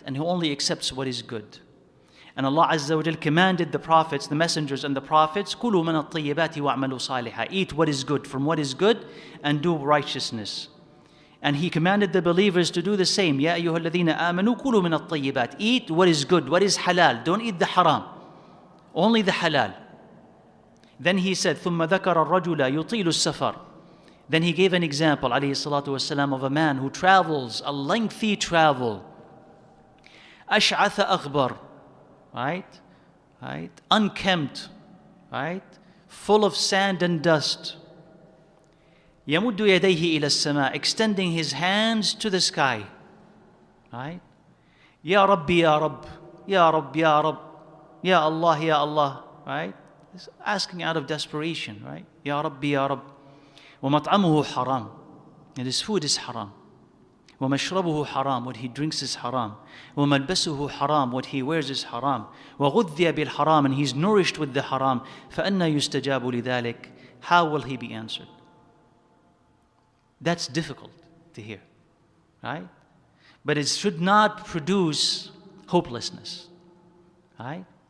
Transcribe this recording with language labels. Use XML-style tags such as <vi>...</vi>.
<en>And He only accepts what is good. And Allah Azza wa Jal commanded the prophets, the messengers and the prophets,</en> <ar>كُلُوا مَنَ الطَّيِّبَاتِ وَأَعْمَلُوا صَالِحًا,</ar> <en>eat what is good, from what is good, and do righteousness. And he commanded the believers to do the same.</en> <ar>يَا أَيُّهَا الَّذِينَ آمَنُوا كُلُوا مِنَ الطَّيِّبَاتِ,</ar> <en>eat what is good, what is halal. Don't eat the haram. Only the halal. Then he said,</en> <ar>ثُمَّ ذَكَرَ الرَّجُلَ يُطِيلُ السَّفَرِ.</ar> <en>Then he gave an example, alayhi salatu wasalam, of a man who travels, a lengthy travel.</en> <ar>أَشْعَثَ أَغْبَرَ.</ar> <en>Right? Right? Unkempt. Right? Full of sand and dust.</en> <ar>يَمُدُّ يَدَيْهِ إِلَى السَّمَاءِ,</ar> <en>extending his hands to the sky.</en> <ar>Right? يَا رَبِّ يَا رَبِّ يَا رَبِّ يَا رَبِّ يَا اللَّهِ يَا اللَّهِ. Right?</ar> <en>He's asking out of desperation. Right?</en> <ar>يَا رَبِّ يَا رَبِّ وَمَطْعَمُهُ حَرَامٌ,</ar> <en>and his food is haram.</en> <ar>وَمَشْرَبُهُ حَرَامٌ,</ar> <en>what he drinks is haram.</en> <ar>وَمَلْبَسُهُ حَرَامٌ,</ar> <en>what he wears is haram.</en> <ar>وَغُذِّيَ بِالْحَرَامِ,</ar> <en>and he's nourished with the haram.</en> <ar>فَأَنَّ يُسْتَجَابُ لِذَلِكَ,</ar> <en>how will he be answered? That's difficult to hear, right? But it should not produce hopelessness, right?</en>